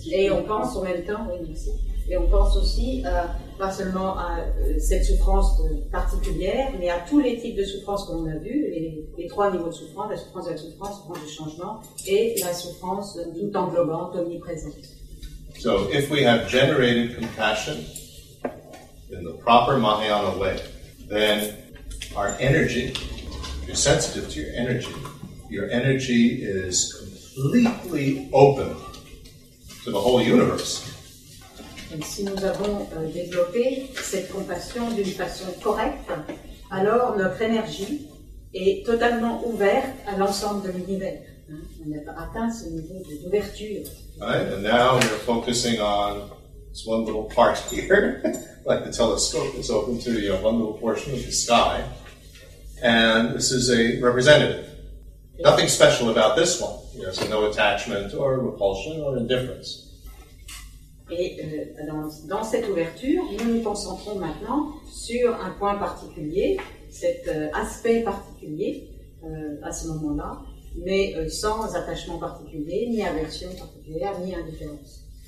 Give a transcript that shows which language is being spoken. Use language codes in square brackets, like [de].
[fr] Et on pense en même temps, oui, merci. Et on pense aussi, pas seulement à cette souffrance particulière, mais à tous les types de souffrance que l'on a vu, les trois niveaux de souffrance, la souffrance de la souffrance, la souffrance du changement, et la souffrance tout englobante, omniprésente. [en] So, if we have generated compassion in the proper Mahayana way, then our energy, if you're sensitive to your energy is completely open to the whole universe. [fr] Et si nous avons développé cette compassion d'une façon correcte, alors notre énergie est totalement ouverte à l'ensemble de l'univers. On a atteint ce niveau d'ouverture. [en] Right, and now we're focusing on this one little part here, like the telescope is open to one little portion of the sky, and this is a representative. Nothing special about this one. You know, so no attachment or repulsion or indifference. [fr] Et dans cette ouverture, nous nous concentrons maintenant sur un point particulier, cet aspect particulier à ce moment-là, mais sans attachement particulier, ni aversion particulière, ni indifférence.